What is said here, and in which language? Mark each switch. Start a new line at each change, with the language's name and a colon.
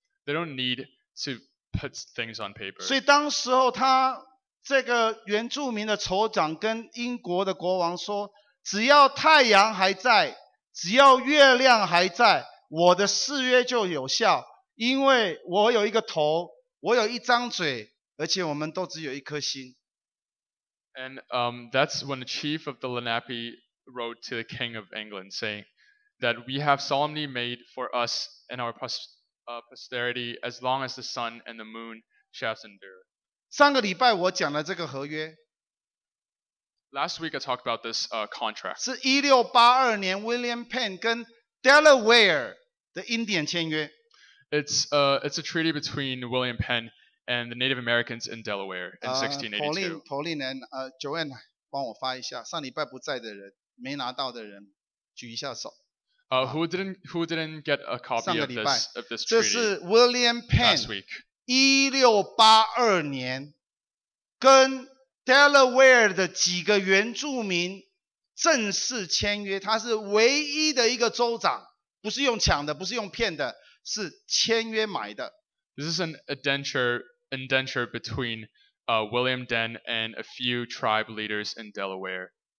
English: They don't need to puts things on paper.
Chinese: 所以当时候他这个原住民的酋长跟英国的国王说，只要太阳还在，只要月亮还在，我的誓约就有效，因为我有一个头，我有一张嘴，而且我们都只有一颗心。
English: And that's when the chief of the Lenape wrote to the king of England saying that we have solemnly made for us and our posterity, as long as the sun and the moon shall endure.
Chinese: 上个礼拜我讲了这个合约。
English: Last week I talked about this contract.
Chinese: 是1682年 William Penn 跟 Delaware 的印第安签约。
English: It's a treaty between William Penn and the Native Americans in Delaware in 1682.
Chinese: Pauline, Joanne, 帮我发一下，上礼拜不在的人，没拿到的人，举一下手。
English: Who didn't get a copy of this treaty?
Chinese: 这是 William Penn
English: last week.
Chinese: 1682年跟 Delaware 的几个原住民正式签约，他是唯一的一个州长，不是用抢的，不是用骗的，是签约买的。
English: This is an indenture between William Penn and a few tribe leaders in Delaware.